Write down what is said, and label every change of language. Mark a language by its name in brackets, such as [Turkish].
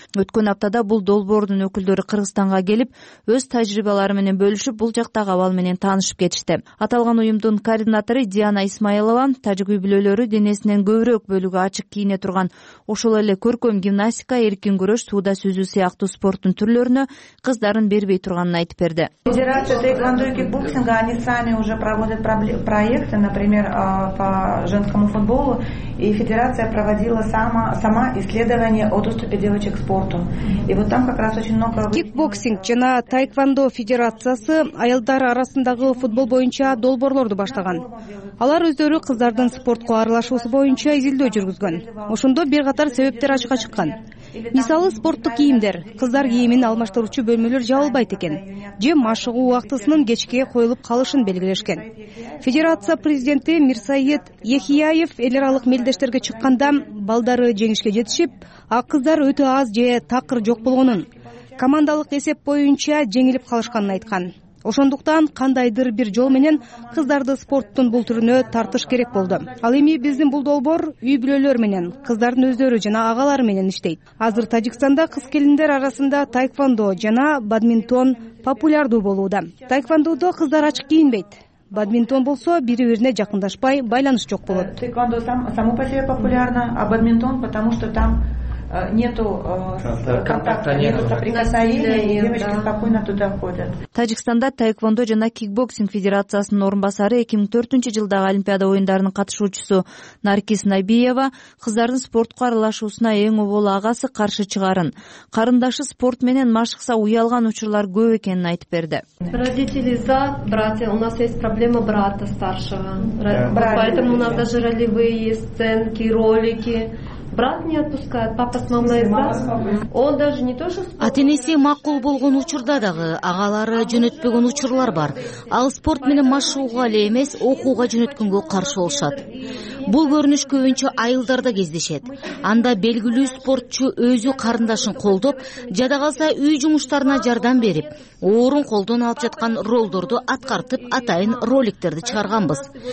[Kyrgyz] Өткөн аптада бул долбоордун өкүлдөрү Кыргызстанга келип өз тажрыйбалары менен бөлүшүп, бул жактагы абал менен таанышып кетишти. Аталган уюмдун координатору Диана Исмаилова тажик үй бүлөлөрү денесинен көбүрөөк бөлүгү ачык кийине турган, ошол эле көркөм гимнастика, эркин күрөш, сууда сүзүү сыяктуу спорттун түрлөрүнө кыздарын бербей турганын айтып берди. [Russian] Федерация тэквондо и кикбоксинга, они сами уже проводят проекты, например, по женскому футболу, и федерация проводила сама исследование о доступе девочек к спорту. И вот там как раз очень много... [Kyrgyz] Кикбоксинг жана тэквондо федерациясы аялдар арасындагы футбол боюнча долбоорлорду баштаган. Алар өздөрү кыздардын спортко аралашуусу боюнча изилдөө жүргүзгөн. Ошондо бир катар себептер ачыкка чыккан. Мисалы, спорттук кийимдер, кыздар кийимин алмаштыруучу бөлмөлөр жабылбайт экен же машыгуу убактысынын кечке коюлуп калышын белгилешкен. Федерация президенти Мирсаид Ехияев эл аралык мелдештерге чыкканда балдары жеңишке жетишип, а кыздар өтө аз же такыр жок болгонун, командалык эсеп боюнча жеңилип калышканын айткан. Ошондуктан кандайдыр бир жол менен кыздарды спорттун бул түрүнө тартыш керек болду. Ал эми биздин бул долбоор үй бүлөлөр менен, кыздардын өздөрү жана агалары менен иштейт. Азыр Тажикстанда кыз келиндер арасында тайквондо жана бадминтон популярдуу болууда. Тайквондодо кыздар ачык кийинбейт. Бадминтон болсо бири бирине жакындашпай байланыш жок болот. [Russian] Тайквондо само по себе популярно, а бадминтон потому что там нету контакта, нету соприкосновения, девочки спокойно туда ходят. [Kyrgyz] Тажикстанда тайквондо жана кикбоксинг федерациясынын орун басары 2004 жылдагы олимпиада оюндарынын катышуучусу Наркис Набиева кыздардын спортко аралашуусуна эң обол агасы каршы чыгарын, карындашы спорт менен машыкса уялган учурлар көп экенин айтып берди. [Russian] Родители за, братья, у нас есть проблема брата старшего, поэтому у нас даже ролевые сценки, ролики. Брат не отпускает, папа с мамой брат. Он даже не то, что спорт. [Kyrgyz] Ата энеси макул болгон учурда дагы агалары жөнөтпөгөн учурлар бар. Ал спорт менен машыгууга эле эмес, окууга жөнөткөнгө каршы болушат. Бул көрүнүш көбүнчө айылдарда кездешет. Анда белгилүү спортчу өзү карындашын колдоп, жада калса үй жумуштарына жардам берип, орун колдон алып жаткан ролдорду аткартып, атайын роликтерди чыгарганбыз.